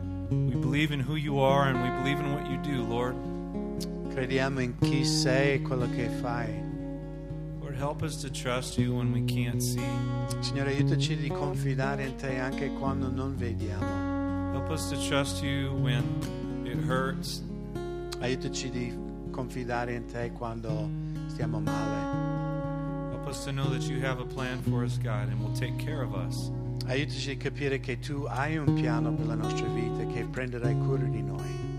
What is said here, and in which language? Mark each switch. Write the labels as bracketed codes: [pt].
[en] We believe in who you are and we believe in what you do, Lord. [it] Crediamo in chi sei e quello che fai. [en] Lord, help us to trust you when we can't see. [it] Signore, aiutaci di confidare in te anche quando non vediamo. [en] Help us to trust you when it hurts. [it] Aiutaci di confidare in te quando stiamo male. [en] Help us to know that you have a plan for us, God, and will take care of us. [it] Aiutaci a capire che tu hai un piano per la nostra vita che prenderai cura di noi.